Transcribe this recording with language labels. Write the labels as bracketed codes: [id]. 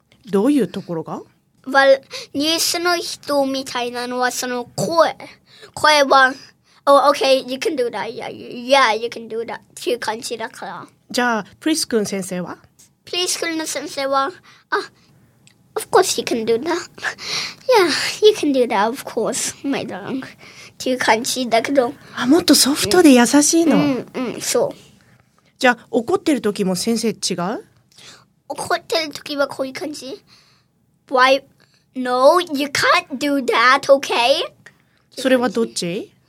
[ja] どういうところが? Well, ニュースの人みたいなのはその声。声は、 [en] oh, okay, you can do that. Yeah, you can do that. [ja] っていう感じだから。じゃあ、プリスクルの先生は? プリスクルの先生は、あ、 [en] of course you can do that. Yeah, you can do that, of course, my darling. [ja] っていう感じだけど。あ、もっとソフトで優しいの。うん、うん、そう。じゃあ、怒ってる時も先生違う? 怒ってる時はこういう感じ。 [en] Why? No, you can't do that, okay? [ja] それはどっち?